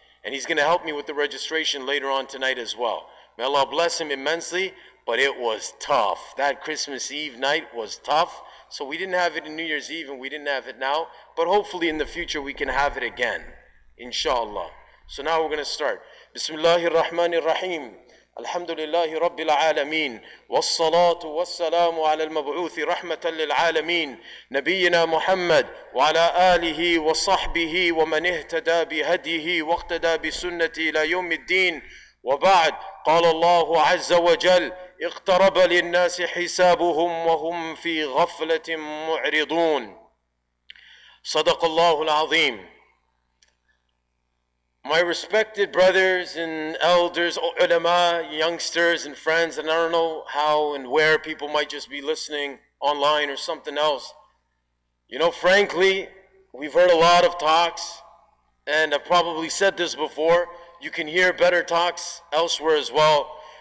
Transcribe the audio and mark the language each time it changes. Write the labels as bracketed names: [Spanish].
[English] And he's going to help me with the registration later on tonight as well. May Allah bless him immensely, but it was tough. That Christmas Eve night was tough. So we didn't have it in New Year's Eve and we didn't have it now. But hopefully in the future we can have it again. Inshallah. So now we're going to start. [Arabic] Bismillahir Rahmanir Rahim. الحمد لله رب العالمين والصلاة والسلام على المبعوث رحمة للعالمين نبينا محمد وعلى آله وصحبه ومن اهتدى بهديه واقتدى بسنته إلى يوم الدين وبعد قال الله عز وجل اقترب للناس حسابهم وهم في غفلة معرضون صدق الله العظيم. [English] My respected brothers and elders, ulama, youngsters and friends, and I don't know how and where people might just be listening online or something else. You know, frankly, we've heard a lot of talks, and I've probably said this before, you can hear better talks elsewhere as well.